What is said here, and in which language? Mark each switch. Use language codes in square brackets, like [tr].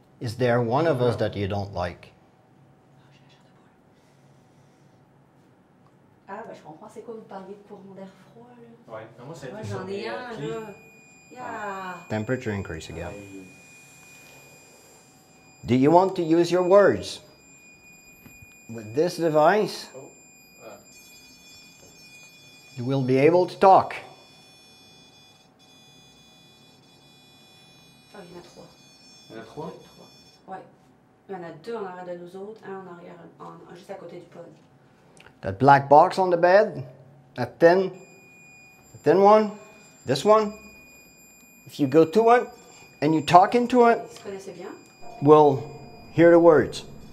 [en] Is there one of us that you don't like? [fr] Ah, ben, je comprends, c'est quoi, vous parliez de courant d'air froid, là? Ouais, non, moi, c'est ouais, j'en ai un, là. Yeah. [en] Temperature increase again. Do you want to use your words? With this device, you will be able to talk. [fr] Oh, il y en a trois. Il y en a trois? Ouais. Il y en a deux en arrière de nous autres, un en arrière, juste à côté du pod. [en] That black box on the bed, that thin one, this one, if you go to it and you talk into it, we'll hear the words.